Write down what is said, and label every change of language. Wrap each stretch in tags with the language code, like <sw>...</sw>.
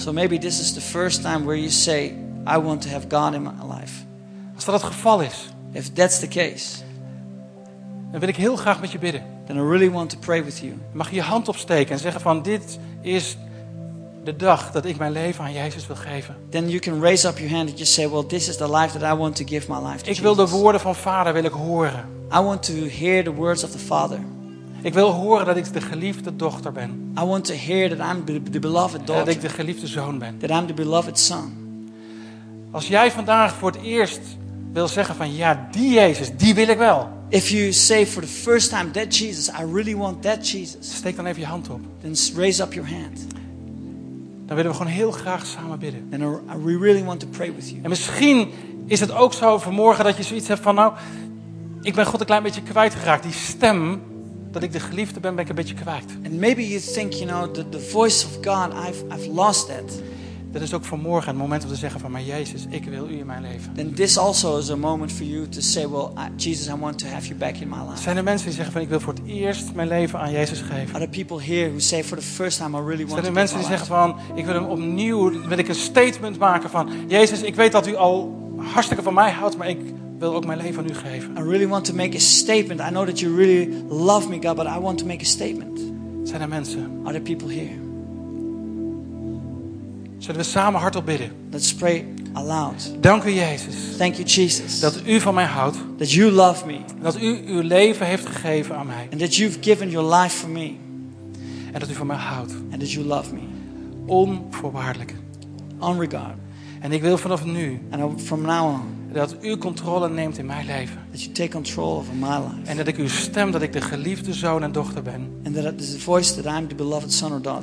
<en>So maybe this is the first time where you say I want to have God in my life.</en> <nl>Als dat het geval is,</nl> <en>if that's the case,</en> <nl>dan wil ik heel graag met je bidden.</nl> <en>Then I really want to pray with you.</en> <nl>Mag je hand opsteken en zeggen van dit is de dag dat ik mijn leven aan Jezus wil geven.</nl> <en>Then you can raise up your hand and just say, well, this is the life that I want to give my life to.</en> <nl>Ik wil de woorden van Vader wil ik horen.</nl> <en>I want to hear the words of the Father.</en> <nl>Ik wil horen dat ik de geliefde dochter ben.</nl> <en>I want to hear that I'm the beloved daughter.</en> <nl>Dat ik de geliefde zoon ben.</nl> <en>That I'm the beloved son.</en> <nl>Als jij vandaag voor het eerst wil zeggen van ja, die Jezus, die wil ik wel.</nl> <en>If you say for the first time that Jesus, I really want that Jesus.</en> <nl>Steek dan even je hand op.</nl> <en>Then raise up your hand.</en> <nl>Dan willen we gewoon heel graag samen bidden.</nl> <en>And we really want to pray with you.</en> <nl>En misschien is het ook zo vanmorgen dat je zoiets hebt van nou, ik ben God een klein beetje kwijtgeraakt. Die stem dat ik de geliefde ben ik een beetje kwijt.</nl> <en>And maybe you think, you know, that the voice of God, I've lost that.</en> <nl>Dat is ook vanmorgen het moment om te zeggen van maar Jezus, ik wil u in mijn leven.</nl> <en>Then this also is a moment for you to say, well, Jesus, I want to have you back in my life.</en> <nl>Zijn er mensen die zeggen van ik wil voor het eerst mijn leven aan Jezus geven?</nl> <en>Are there people here who say for the first time I really want to?</en> <nl>Zijn er mensen die zeggen van ik wil hem opnieuw, wil ik een statement maken van Jezus, ik weet dat u al hartstikke van mij houdt, maar ik wil ook mijn leven aan u geven.</nl> <en>I really want to make a statement. I know that you really love me, God, but I want to make a statement.</en> <nl>Zijn er mensen?</nl> <en>Are there people here?</en> <nl>Zullen we samen hardop bidden?</nl> <en>Let's pray aloud.</en> <nl>Dank u, Jezus.</nl> <en>Thank you, Jesus.</en> <nl>Dat u van mij houdt.</nl> <en>That you love me.</en> <nl>Dat u uw leven heeft gegeven aan mij.</nl> <en>And that you've given your life for me.</en> <nl>En dat u van mij houdt.</nl> <en>And that you love me.</en> <nl>Onvoorwaardelijk.</nl> <en>Unregard.</en> <nl>En ik wil vanaf nu.</nl> <en>And from now on.</en> <nl>Dat u controle neemt in mijn leven.</nl> <en>That you take control over my life.</en> <nl>En dat ik uw stem, dat ik de geliefde zoon en dochter ben.</nl> <en>And that is the voice that I'm the beloved son or daughter.</en>